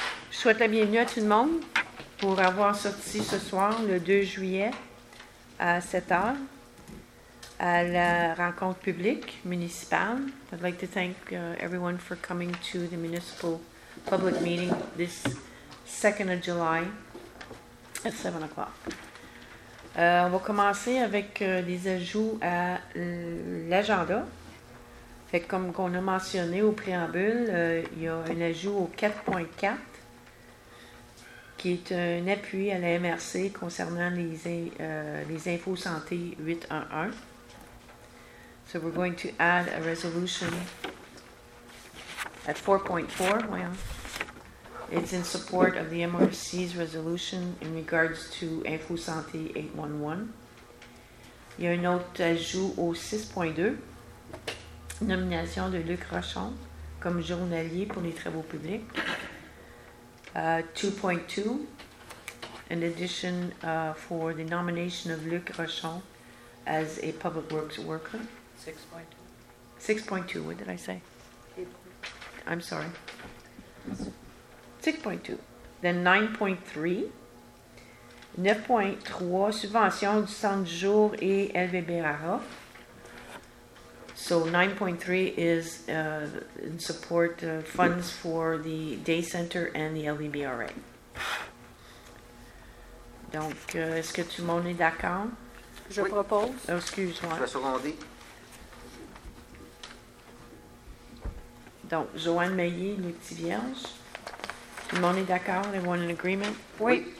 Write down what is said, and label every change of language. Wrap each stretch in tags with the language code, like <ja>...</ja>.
<fr>Je souhaite la bienvenue à tout le monde pour avoir sorti ce soir, le 2 juillet, à 7h, à la rencontre publique municipale.</fr> <en>I'd like to thank everyone for coming to the municipal public meeting this 2nd of July at 7 o'clock.</en> <fr>On va commencer avec des ajouts à l'agenda. Fait que comme qu'on a mentionné au préambule, il y a un ajout au 4.4 qui est un appui à la MRC concernant les infos santé 811.</fr> <en>So we're going to add a resolution at 4.4. Well, it's in support of the MRC's resolution in regards to Info Santé 811.</en> <fr>Il y a un autre ajout au 6.2, nomination de Luc Rochon comme journalier pour les travaux publics.</fr> <en>2.2, an addition for the nomination of Luc Rochon as a public works worker. 6.2, what did I say? 8. I'm sorry. 6.2. Then 9.3.</en> <fr>9.3, subvention du centre du jour et LVBRA.</fr> <en>So 9.3 is in support funds for the day center and the LVBRA.</en> <fr>Donc, est-ce que tout le monde est d'accord? Je oui. propose. Oh, excuse-moi. Je vais seconder. Donc, Joanne Meillé, les petits vierges. Tout le monde est d'accord?</fr> <en>Everyone in agreement?</en> <fr>Oui.</fr>